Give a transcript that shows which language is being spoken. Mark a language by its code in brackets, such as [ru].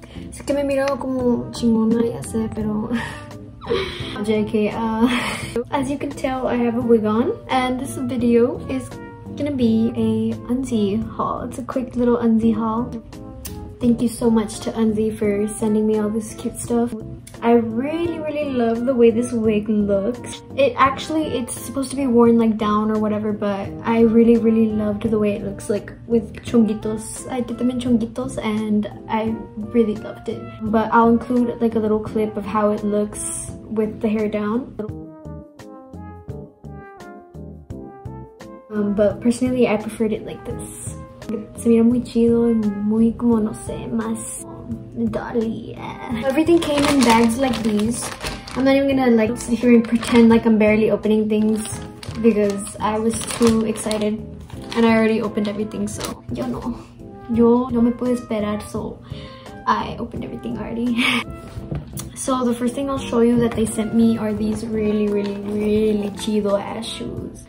[es] Es que me he mirado como chingona, ya sé, pero... [en] JK, as you can tell, I have a wig on. And this video is gonna be a UNZZY haul. It's a quick little UNZZY haul. Thank you so much to UNZZY for sending me all this cute stuff. I really, really love the way this wig looks. It's supposed to be worn like down or whatever, but I really, really loved the way it looks like with chonguitos. I did them in chonguitos and I really loved it. But I'll include like a little clip of how it looks with the hair down. But personally, I preferred it like this. [es] Se mira muy chido y muy como, no sé, más dolly, yeah. [en] Everything came in bags like these. I'm not even gonna like sit here and pretend like I'm barely opening things because I was too excited and I already opened everything, so. [es] Yo no. Yo no me puedo esperar, [en] so I opened everything already. So the first thing I'll show you that they sent me are these really, really, really chido ass shoes.